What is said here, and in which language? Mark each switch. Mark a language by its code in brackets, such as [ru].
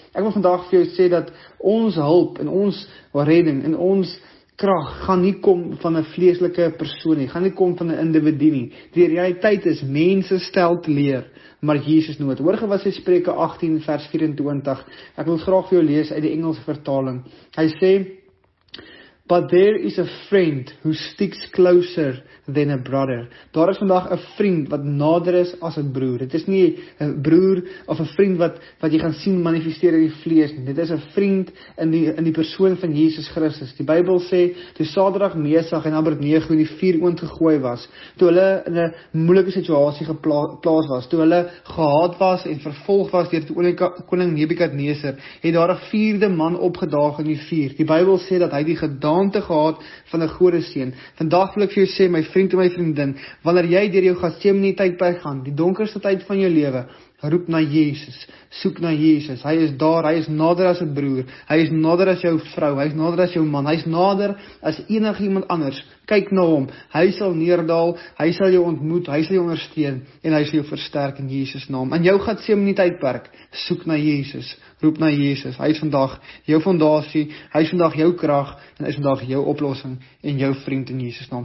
[af] Ek wil vandag vir jou sê dat ons hulp en ons redding en ons krag gaan nie kom van 'n vleeslike persoon nie, gaan nie kom van 'n individu nie. Die realiteit is, mense stel teleur, maar Jesus nooit. Hoor gewas hy Spreuke 18 vers 24. Ek wil graag vir jou lees uit die Engelse vertaling. Hy sê: [en] But there is a friend who sticks closer than a brother. [af] Daar is vandag 'n vriend wat nader is as 'n broer. Dit is nie 'n broer of 'n vriend wat jy gaan sien manifesteer in die vlees nie. Dit is 'n vriend in die persoon van Jesus Christus. Die Bybel sê, toe Sadrag, Mesag en Abednego in die vuur oortgegooi was, toe hulle in 'n moeilike situasie geplaas was, toe hulle gehaat was en vervolg was deur die koning Nebukadneser, het daar 'n vierde man opgedaag in die vuur. Die Bybel sê dat hy die gedaante gehad van 'n gode seun. Vandag wil ek vir jou sê, my vriend en my vriendin, wanneer jy deur jou Getsemane tydperk gaan, die donkerste tyd van jou lewe, roep na Jesus, soek na Jesus. Hy is daar, hy is nader as 'n broer, hy is nader as jou vrou, hy is nader as jou man, hy is nader as enig iemand anders. Kyk na hom, hy sal neerdaal, hy sal jou ontmoet, hy sal jou ondersteun en hy sal jou versterk in Jesus naam. In jou Getsemane tydperk, soek na Jesus, roep na Jesus. Hy is vandag jou fondasie, hy is vandag jou krag en hy is vandag jou oplossing en jou vriend in Jesus naam.